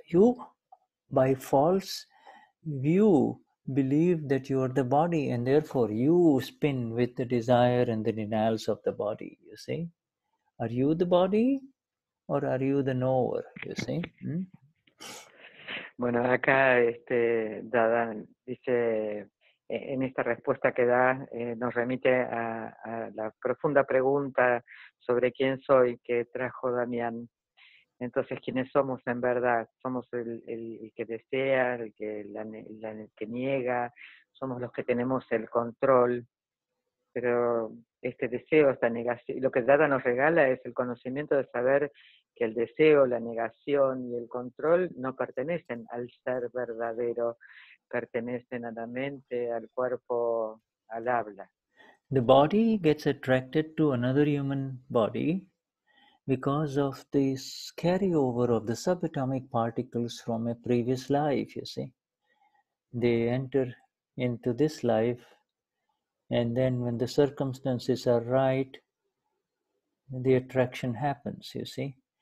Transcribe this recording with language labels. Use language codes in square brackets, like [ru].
[en] You, by false view, believe that you are the body, and therefore you spin with the desire and the denials of the body, you see. Are you the body, or are you the knower, you see? [es] Bueno, acá Dada dice, en esta respuesta que da, nos remite a la profunda pregunta sobre quién soy que trajo Damián. Entonces, ¿quiénes somos en verdad? ¿Somos el que desea, el que niega? ¿Somos los que tenemos el control? Pero este deseo, esta negación. Lo que Dada nos regala es el conocimiento de saber que el deseo, la negación y el control no pertenecen al ser verdadero, pertenecen a la mente, al cuerpo, al habla. [en] The body gets attracted to another human body because of this carryover of the subatomic particles from a previous life, you see. They enter into this life, and then when the circumstances are right, the attraction happens, you see.